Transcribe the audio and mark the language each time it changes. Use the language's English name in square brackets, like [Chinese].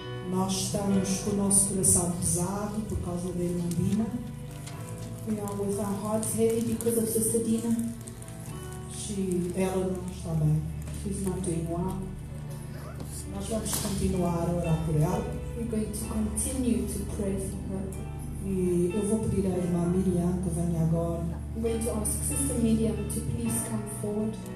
[Portuguese] Nós estamos com o nosso coração pesado por causa da irmã Dina. [English] We are with our hearts heavy because of Sister Dina. [Portuguese] Ela não está bem. [English] She's not doing well. [Portuguese] Nós vamos continuar a orar por ela. [English] We're going to continue to pray for her. [Portuguese] E eu vou pedir à irmã Miriam que venha agora. [English] I'm going to ask Sister Miriam to please come forward.